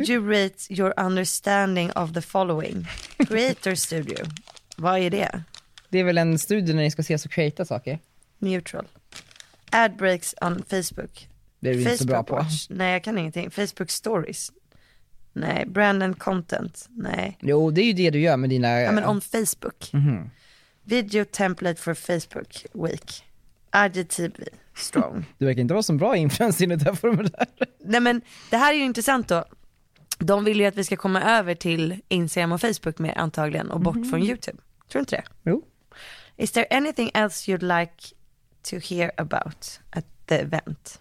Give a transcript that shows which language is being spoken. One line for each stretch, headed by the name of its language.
English: Would you rate your understanding of the following?
Swedish: Creator studio. Vad är det? Det är väl en studio när ni ska se så creata saker.
English: Neutral. Ad breaks on Facebook.
Swedish: Det är du Facebook inte bra på. Watch. Nej, jag kan ingenting. Facebook stories. Nej,
English: brand and content.
Swedish: Nej. Jo, det är ju det du gör med dina... Ja, men on Facebook. Mm-hmm.
English: Video template for Facebook week. IGTV. Strong.
Swedish: Du verkar inte vara så bra influens i det här formuläret. Nej, men det här är ju intressant då. De vill ju att vi ska komma över till Instagram och Facebook mer antagligen och bort från YouTube. Tror du inte det? Jo.
English: Is there anything else you'd like to hear about at the event?